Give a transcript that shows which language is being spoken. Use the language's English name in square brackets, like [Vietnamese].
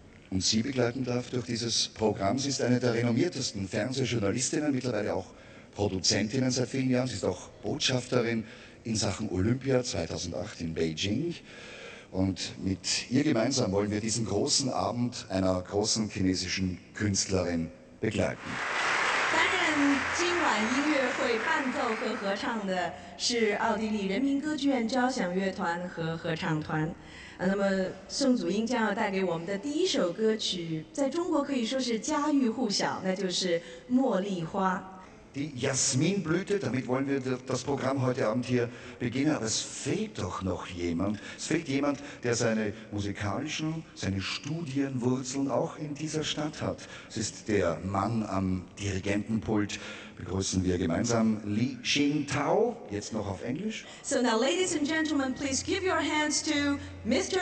[German] Und Sie begleiten darf durch dieses Programm. Sie ist eine der renommiertesten Fernsehjournalistinnen, mittlerweile auch Produzentinnen seit vielen Jahren. Sie ist auch Botschafterin in Sachen Olympia 2008 in Beijing. Und mit ihr gemeinsam wollen wir diesen großen Abend einer großen chinesischen Künstlerin begleiten. [Chinese] 担任今晚音乐会伴奏和合唱的是奥地利人民歌剧院交响乐团和合唱团。那么宋祖英将要带给我们的第一首歌曲在中国可以说是家喻户晓，那就是茉莉花。 [German] Die Jasminblüte, damit wollen wir das Programm heute Abend hier beginnen. Aber es fehlt doch noch jemand. Es fehlt jemand, der seine musikalischen, seine Studienwurzeln auch in dieser Stadt hat. Es ist der Mann am Dirigentenpult. Begrüßen wir gemeinsam Li Xintao, jetzt noch auf Englisch. [English] So now, ladies and gentlemen, please give your hands to Mr.